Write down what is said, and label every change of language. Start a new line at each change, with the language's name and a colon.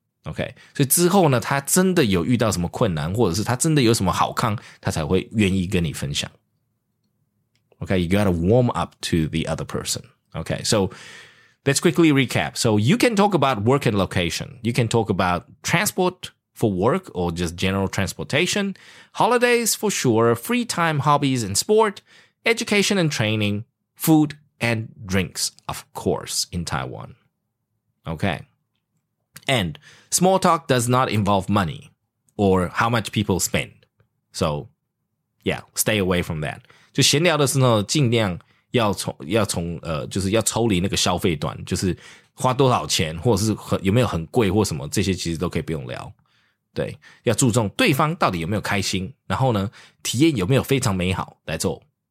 Chinese: Okay, 所以之后呢, 他真的有遇到什么困难, 或者是他真的有什么好康, 他才会愿意跟你分享.
English: Okay, you gotta warm up to the other person. Okay, so let's quickly recap. So you can talk about work and location. You can talk about transport for work or just general transportation. Holidays for sure. Free time, hobbies and sport. Education and training. Food and drinks, of course, in Taiwan. Okay. And small talk does not involve money or how much people spend. So, yeah, stay away from that.
Chinese: 就闲聊的时候尽量要从就是要抽离那个消费端，就是花多少钱，或者是很有没有很贵或什么，这些其实都可以不用聊。对，要注重对方到底有没有开心，然后呢体验有没有非常美好来做。